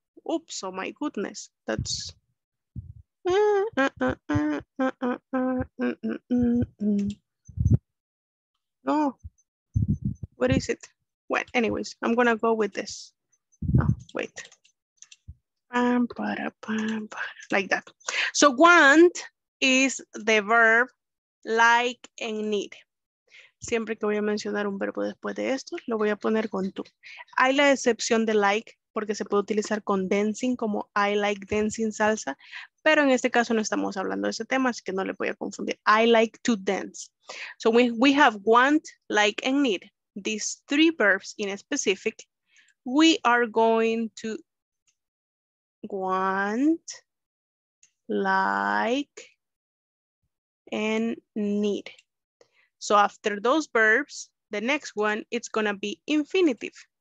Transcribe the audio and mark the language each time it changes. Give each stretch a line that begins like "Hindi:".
English: Oops, oh my goodness. That's no. What is it? Well, anyways, I'm gonna go with this. Oh, wait. Like that. So want is the verb like and need.
Spanish: Siempre que voy a mencionar un verbo después de esto, lo voy a poner con to. Hay la excepción de like porque se puede utilizar con dancing como
English: I like dancing salsa,
Spanish: pero en este caso no estamos hablando de ese tema, así que no le voy a confundir.
English: I like to dance. So we have want, like and need. These three verbs in specific, we are going to want, like, and need. So after those verbs, the next one, it's gonna be infinitive.